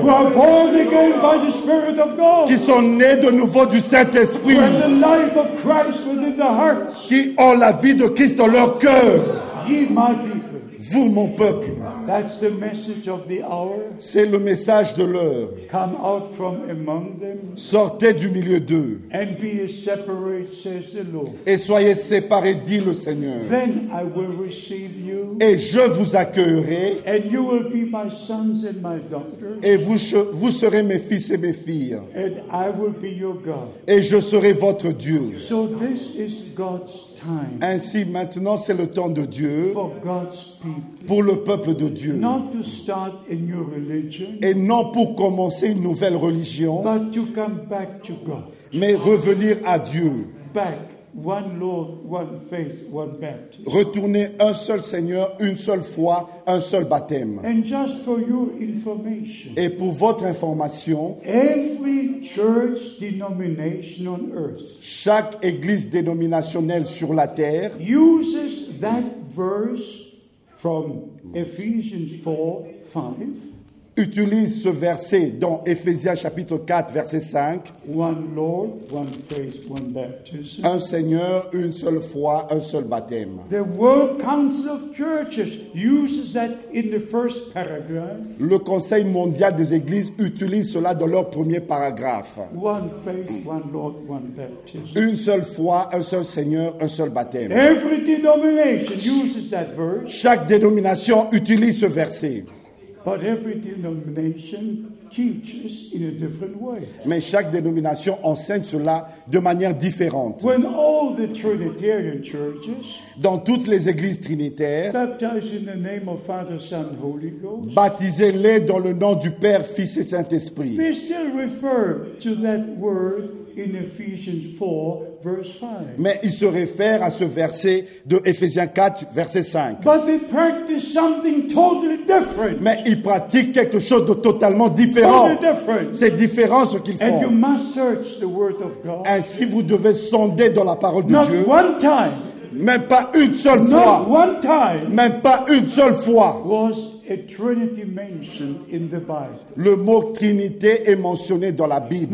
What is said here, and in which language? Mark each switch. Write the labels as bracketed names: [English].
[English] Who are born again by the Spirit of God. [French] Qui sont nés de nouveau du Saint-Esprit. [English] Who have the life of Christ within their hearts. [French] Qui ont la vie de Christ dans leur cœur. [English] Ye my people. [French] Vous, mon peuple. [English] That's the message of the hour. [French] C'est le message de l'heure. [English] Come out from among them. [French] Sortez du milieu d'eux. [English] And be separate, says the Lord. [French] Et soyez séparés, dit le Seigneur. [English] Then I will receive you. [French] Et je vous accueillerai. [English] And you will be my sons and my daughters. [French] Et vous serez mes fils et mes filles. [English] And I will be your God. [French] Et je serai votre Dieu. [English] So this is God's time. [French] Ainsi, maintenant, c'est le temps de Dieu. [English] For God's people. [French] Pour le peuple de Dieu. [English] Not to start a new religion, [French] et non pour commencer une nouvelle religion, [English] but to come back to God. [French] Mais revenir à Dieu. [English] Back, one Lord, one faith, one baptism. [French] Retourner un seul Seigneur, une seule foi, un seul baptême. [English] And just for your information, [French] et pour votre information, [English] every church denomination on earth, [French] chaque église dénominationnelle sur la terre [English] uses that verse from Ephesians 4, 5. [French] Utilise ce verset dans Ephésiens chapitre 4, verset 5. [English] One Lord, one faith, one baptism. [French] Un Seigneur, une seule foi, un seul baptême. [English] The World Council of Churches uses that in the first paragraph. [French] Le Conseil mondial des églises utilise cela dans leur premier paragraphe. [English] One faith, one Lord, one baptism. [French] Une seule foi, un seul Seigneur, un seul baptême. [English] Every denomination uses that verse. [French] Chaque dénomination utilise ce verset. [English] But every denomination teaches in a different way. [French] Mais chaque dénomination enseigne cela de manière différente. [English] When all the Trinitarian churches, [French] dans toutes les églises trinitaires, [English] baptize in the name of Father, Son, Holy Ghost, [French] baptisez-les dans le nom du Père, Fils et Saint-Esprit. [English] They still refer to that word in Ephesians 4, verse 5. [French] Mais ils se réfèrent à ce verset de Ephésiens 4, verset 5. [English] But they practice something totally different. [French] Mais ils pratiquent quelque chose de totalement différent. [English] Totally different. [French] C'est différent ce qu'ils font. [English] And you must search the word of God. [French] Ainsi, vous devez sonder dans la parole de [English] Not [French] Dieu. [English] One time. [French] Même pas une seule [English] Not [French] fois. [English] One time. [French] Même pas une seule fois. [English] Was a Trinity mentioned in the Bible. [French] Le mot Trinité est mentionné dans la Bible.